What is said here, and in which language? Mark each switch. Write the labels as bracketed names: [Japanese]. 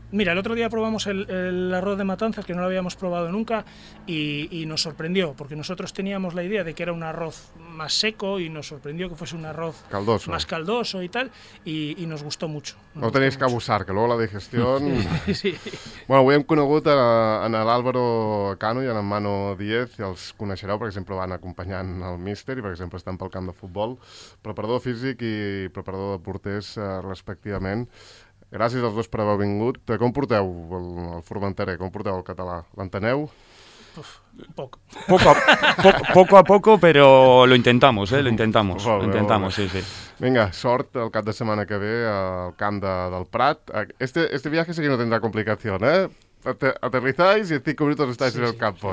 [Spanish] Mira, el otro día probamos el arroz de Matanzas, que no lo habíamos probado nunca, y nos sorprendió, porque nosotros teníamos la idea de que era un arroz más seco y nos sorprendió que fuese un arroz caldoso. Más caldoso y tal, y nos gustó mucho. No tenéis que abusar, que luego la digestión... Sí. [Catalan] Bueno, avui hem conegut en l'Álvaro Cano i en Manu Díez, els coneixereu perquè sempre van acompanyant el míster i perquè sempre estan pel camp de futbol, preparador físic i preparador de porters, respectivament. Gràcies als dos per haver vingut. Com porteu el Formentera? Com porteu el català? L'enteneu? [Spanish] Poco a poco, pero lo intentamos, ¿eh? Lo intentamos. [Catalan] Venga, sort el cap de setmana que ve al camp del Prat. [Spanish] Este viaje sí que no tendrá complicación, ¿eh? Aterrizáis y en 5 minutos estáis en el campo.